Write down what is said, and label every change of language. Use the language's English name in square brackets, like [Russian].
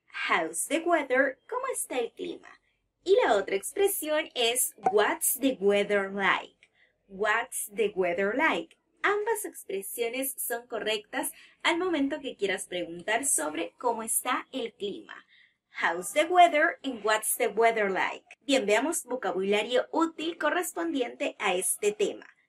[English] How's the weather? [Spanish] ¿Cómo está el clima? Y la otra expresión es, [English] what's the weather like? What's the weather like? [Spanish] Ambas expresiones son correctas al momento que quieras preguntar sobre cómo está el clima. [English] How's the weather and what's the weather like? [Spanish] Bien, veamos vocabulario útil correspondiente a este tema.